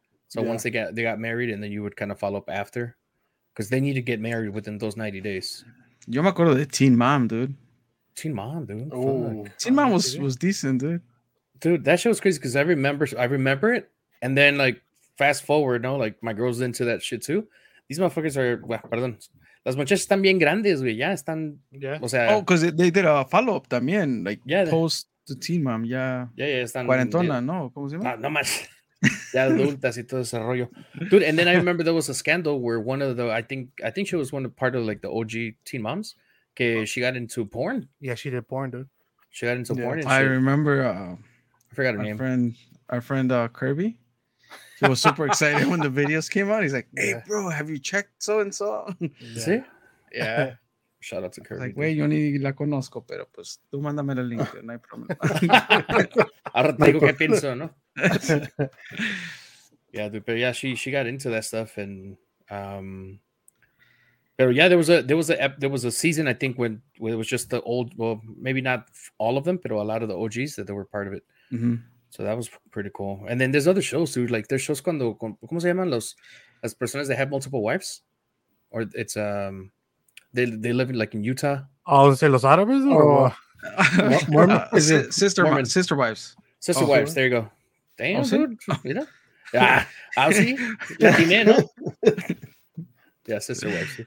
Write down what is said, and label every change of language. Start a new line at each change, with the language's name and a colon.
English: So once they got married, and then you would kind of follow up after. Because they need to get married within those 90 days.
Spanish: Yo me acuerdo de Teen Mom,
English: dude. Teen Mom, dude. Teen Mom was decent, dude. Dude, that show was crazy because I remember it. And then, like, fast forward, you know, like, my girl's into that shit, too. These motherfuckers are, well,
Spanish: perdón. Las muchachas están bien grandes, güey. Ya están.
English: Yeah. O sea, because they did a follow up
Spanish: también,
English: like, post. The team, mom,
Spanish: yeah, están cuarentona, no, ¿cómo se llama? No más, ya adultas y todo ese rollo,
English: dude. And then I remember there was a scandal where one of the, I think she was one of part of like the OG teen moms,
Spanish: que
English: she got into porn. Yeah, she did porn, dude. She got into porn. And she, I remember, I forgot her name. Our friend Kirby, he was super excited when the videos came out. He's like, "Hey, bro, have you checked so and so?" See, yeah. Shout out to Kirby. Like,
Spanish: güey, yo ni la conozco, pero pues tú mándame el link, no hay problema. Ahora te digo qué pienso, ¿no?
English: Yeah, dude, but yeah, she got into that stuff, and
Spanish: pero
English: yeah, there was a season, I think, when it was just the old, well, maybe not all of them, pero a lot of the OGs that they were part of it. Mm-hmm. So that was pretty cool. And then there's other shows, dude. Like, there's shows
Spanish: cuando, ¿cómo se llaman los?
English: As
Spanish: personas
English: that have multiple wives? Or it's They live in like in Utah. Oh, say
Spanish: los árabes
English: or is it sister Mormon. Sister wives? Sister wives. There you go. Damn, dude. Yeah, Aussie. Lucky man, no? Yeah, sister wives.